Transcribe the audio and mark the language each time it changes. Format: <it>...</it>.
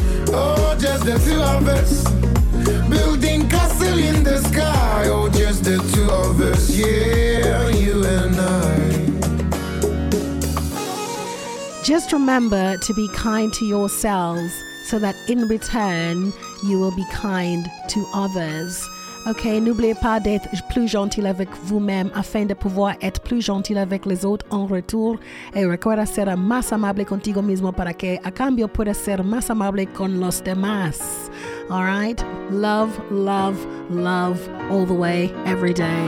<en>Oh, just the two of us, building castle in the sky. Oh, just the two of us, yeah, you and I. Just remember to be kind to yourselves so that in return you will be kind to others.</en> <fr>Okay, n'oubliez pas d'être plus gentil avec vous-même afin de pouvoir être plus gentil avec les autres en retour.</fr> <es>Et recuerda ser más amable contigo mismo para que a cambio pueda ser más amable con los demás.</es> <en>All right? Love, love, love all the way, every day.</en>